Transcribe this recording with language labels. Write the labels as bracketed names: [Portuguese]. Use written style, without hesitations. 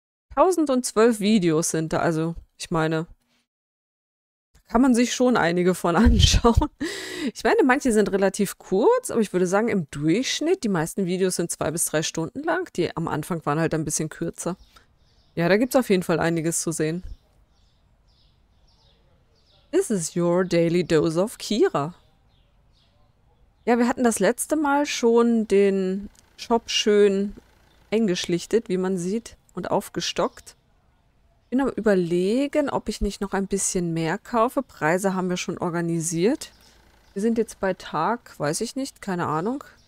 [German] 1012 Videos sind da, also ich meine, kann man sich schon einige von anschauen. Ich meine, manche sind relativ kurz, aber ich würde sagen, im Durchschnitt, die meisten Videos sind 2 bis 3 Stunden lang. Die am Anfang waren halt ein bisschen kürzer. Ja, da gibt es auf jeden Fall einiges zu sehen. [English] This is your daily dose of Kira. [German] Ja, wir hatten das letzte Mal schon den Shop schön eingeschlichtet, wie man sieht, und aufgestockt. Bin aber überlegen, ob ich nicht noch ein bisschen mehr kaufe. Preise haben wir schon organisiert. Wir sind jetzt bei Tag, weiß ich nicht, keine Ahnung.